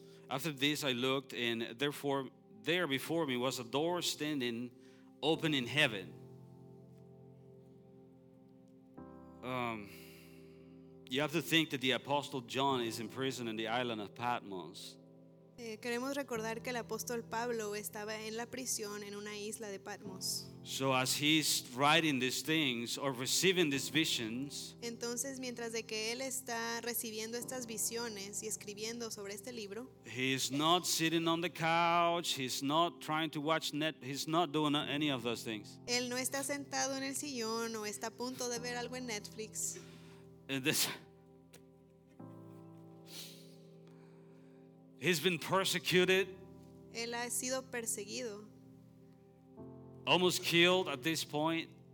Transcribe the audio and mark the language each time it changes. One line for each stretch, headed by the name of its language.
English: After this I looked, and therefore there before me was a door standing open in heaven. You have to think that the Apostle John is in prison in the island of Patmos.
Spanish: Queremos recordar que el apóstol Pablo estaba en la prisión en una isla de Patmos.
English: So as he's writing these things or receiving these visions,
Spanish: entonces mientras de que él está recibiendo estas visiones y escribiendo sobre este libro,
English: he's not sitting on the couch, he's not trying to watch net, he's not doing any of those things.
Spanish: Él no está sentado en el sillón o está a punto de ver algo en Netflix.
English: He's been persecuted.
Spanish: Él ha sido perseguido.
English: Almost killed at this point.